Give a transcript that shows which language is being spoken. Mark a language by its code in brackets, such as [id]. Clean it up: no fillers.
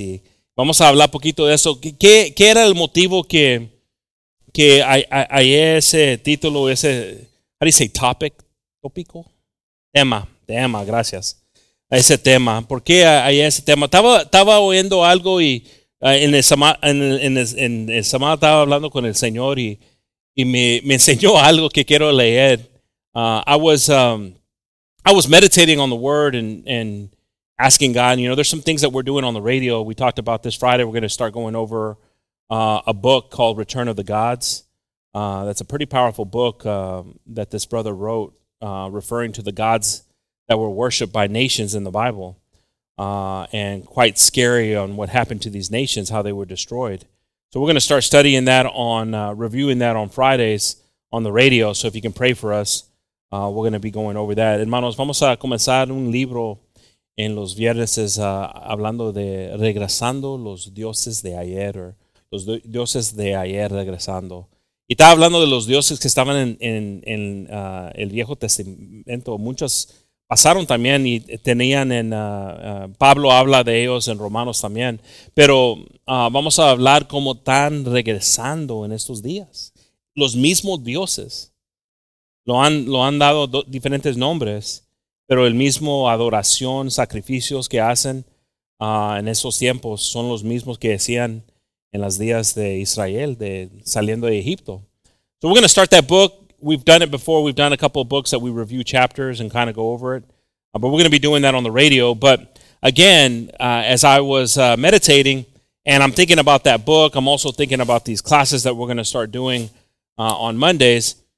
[es] Y vamos a hablar poquito de eso. ¿Qué era el motivo que hay ese título, ese, [en] how do you say, topic? [es] ¿Tópico? Tema, gracias. Ese tema. ¿Por qué hay ese tema? Estaba oyendo algo y en el semana estaba hablando con el Señor y me enseñó algo que quiero leer. [en] I was meditating on the word and asking God, you know, there's some things that we're doing on the radio. We talked about this Friday. We're going to start going over a book called Return of the Gods. That's a pretty powerful book that this brother wrote, referring to the gods that were worshipped by nations in the Bible, and quite scary on what happened to these nations, how they were destroyed. So we're going to start studying that on, reviewing that on Fridays on the radio. So if you can pray for us, we're going to be going over that. [es] Hermanos, vamos a comenzar un libro en los viernes hablando de regresando los dioses de ayer, or los dioses de ayer regresando. Y estaba hablando de los dioses que estaban en el Viejo Testamento. Muchos pasaron también y tenían en, Pablo habla de ellos en Romanos también. Pero vamos a hablar cómo están regresando en estos días. Los mismos dioses. Lo han dado diferentes nombres, pero el mismo adoración, sacrificios que hacen en esos tiempos son los mismos que decían en los días de Israel, de saliendo de Egipto. [en] So we're going to start that book. We've done it before. We've done a couple of books that we review chapters and kind of go over it. But we're going to be doing that on the radio. But again, as I was meditating and I'm thinking about that book, I'm also thinking about these classes that we're going to start doing on Mondays.